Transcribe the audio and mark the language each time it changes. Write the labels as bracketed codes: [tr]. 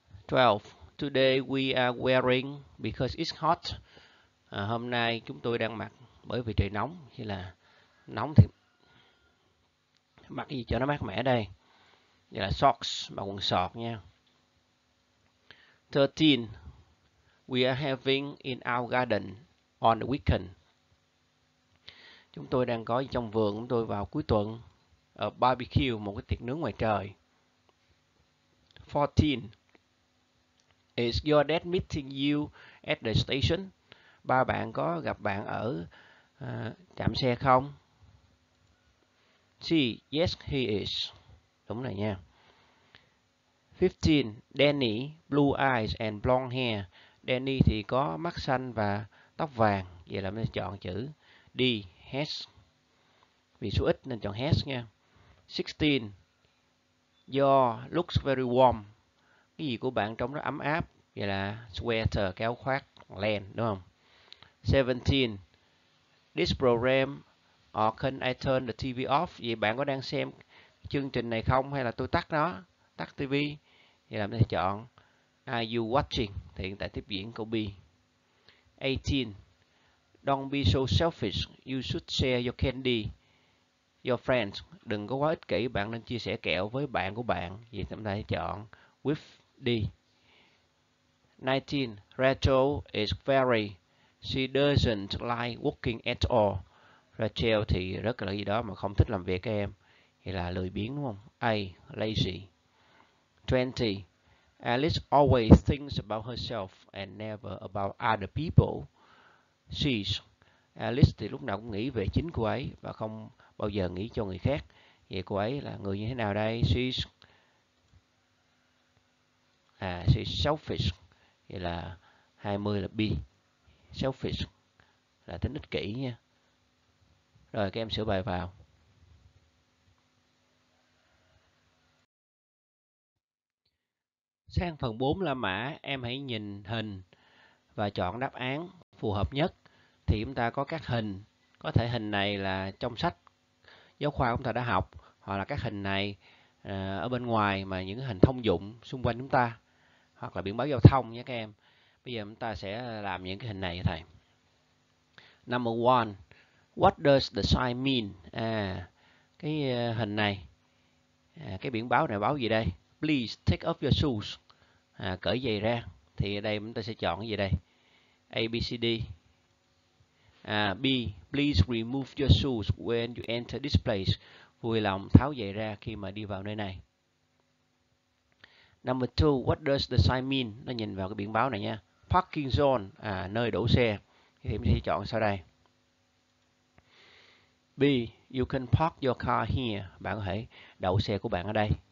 [en] 12. Today we are wearing because it's hot. [vi] Hôm nay chúng tôi đang mặc bởi vì trời nóng, chứ là nóng thì mặc cái gì cho nó mát mẻ đây. Vậy là socks, mặc quần sọt nha. 13. [en] We are having in our garden on the weekend. [vi] Chúng tôi đang có trong vườn chúng tôi vào cuối tuần, [en] a barbecue, [vi] một cái tiệc nướng ngoài trời. 14. [en] Is your dad meeting you at the station? [vi] Ba bạn có gặp bạn ở trạm xe không? [en] See, yes he is. [vi] Đúng rồi nha. 15. [en] Danny, blue eyes and blonde hair. [vi] Danny thì có mắt xanh và tóc vàng. Vậy là mình chọn chữ D, has. Vì số ít nên chọn has nha. 16. [en] Your looks very warm. [vi] Cái gì của bạn trông rất ấm áp. Vậy là sweater, cái áo khoác, len, đúng không? 17. [en] This program, or can I turn the TV off? [vi] Vậy bạn có đang xem chương trình này không? Hay là tôi tắt nó, tắt TV? Vậy là mình sẽ chọn [en] Are you watching? [vi] Thì hiện tại tiếp diễn câu B. [en] 18. Don't be so selfish. You should share your candy, your friends. [vi] Đừng có quá ích kỷ, bạn nên chia sẻ kẹo với bạn của bạn. Vậy chúng ta sẽ chọn with D. 19. [en] Rachel is very. She doesn't like working at all. [vi] Rachel thì rất là gì đó mà không thích làm việc các em. Thì là lười biếng đúng không? [en] A. Lazy. 20. Alice always thinks about herself and never about other people. She's. [vi] Alice thì lúc nào cũng nghĩ về chính cô ấy và không bao giờ nghĩ cho người khác. Vậy cô ấy là người như thế nào đây? [en] She's. She's selfish. [vi] Vậy là 20 là B. Selfish là tính ích kỷ nha. Rồi các em sửa bài vào. Sang phần 4 là mã, em hãy nhìn hình và chọn đáp án phù hợp nhất. Thì chúng ta có các hình, có thể hình này là trong sách giáo khoa chúng ta đã học, hoặc là các hình này ở bên ngoài mà những hình thông dụng xung quanh chúng ta, hoặc là biển báo giao thông nhé các em. Bây giờ chúng ta sẽ làm những cái hình này thầy. [en] Number one, what does the sign mean? [vi] Cái hình này, cái biển báo này báo gì đây? [en] Please take off your shoes. [vi] Cởi giày ra. Thì ở đây chúng ta sẽ chọn cái gì đây? A, B, C, D. [en] B, please remove your shoes when you enter this place. [vi] Vui lòng tháo giày ra khi mà đi vào nơi này. [en] Number 2, what does the sign mean? [vi] Nó nhìn vào cái biển báo này nha. [en] Parking zone, [vi] nơi đổ xe. Thì mình sẽ chọn sau đây. [en] B, you can park your car here. [vi] Bạn có thể đậu xe của bạn ở đây.